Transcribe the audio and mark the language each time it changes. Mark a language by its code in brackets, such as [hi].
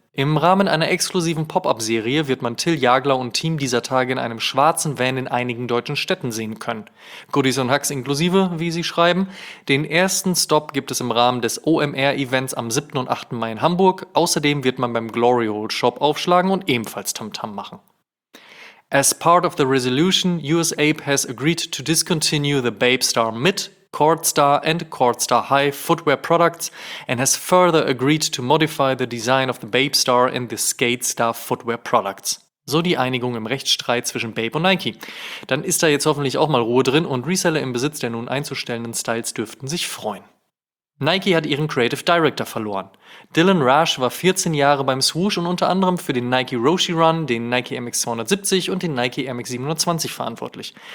[de] Im Rahmen einer exklusiven Pop-Up-Serie wird man Till Jagler und Team dieser Tage in einem schwarzen Van in einigen deutschen Städten sehen können. Goodies und Hacks inklusive, wie sie schreiben. Den ersten Stop gibt es im Rahmen des OMR-Events am 7. und 8. Mai in Hamburg. Außerdem wird man beim Glory Hole Shop aufschlagen und ebenfalls Tamtam machen. [en] As part of the resolution, US Ape has agreed to discontinue the Babestar Mid, Cordstar and Cordstar High footwear products and has further agreed to modify the design of the Babestar in the Skatestar footwear products. [de] So die Einigung im Rechtsstreit zwischen Babe und Nike. Dann ist da jetzt hoffentlich auch mal Ruhe drin und Reseller im Besitz der nun einzustellenden Styles dürften sich freuen. Nike hat ihren Creative Director verloren. Dylan Rash war 14 Jahre beim Swoosh und unter anderem für den Nike Roshe Run, den Nike MX 270 und den Nike MX 720 verantwortlich.